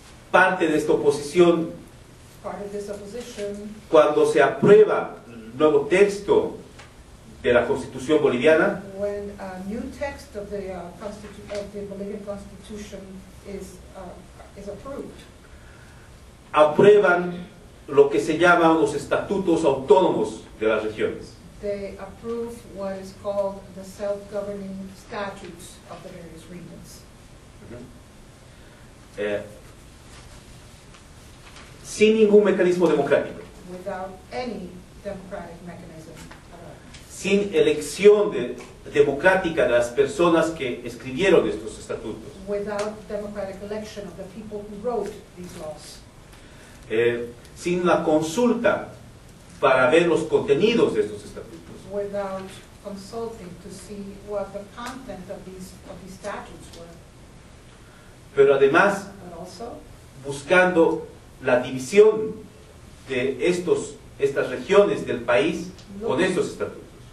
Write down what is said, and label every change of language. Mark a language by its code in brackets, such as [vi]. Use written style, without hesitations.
[es] Parte de esta oposición. [en] Part of this opposition, [es] cuando se aprueba el nuevo texto de la Constitución boliviana, [en] when a new text of the Bolivian Constitution is approved, [es] aprueban lo que se llaman los estatutos autónomos de las regiones. [en] they approve what is called the self-governing statutes of the various regions. [es] Sin ningún mecanismo democrático. [en] Without any democratic mechanism at all. [es] Sin elección democrática de las personas que escribieron estos estatutos. [en] Without democratic election of the people who wrote these laws. [es] Sin la consulta para ver los contenidos de estos estatutos. [en] Without consulting to see what the content of these statutes were. [es] Pero además, [en] also, [es] buscando la división de estas regiones del país con estos estatutos.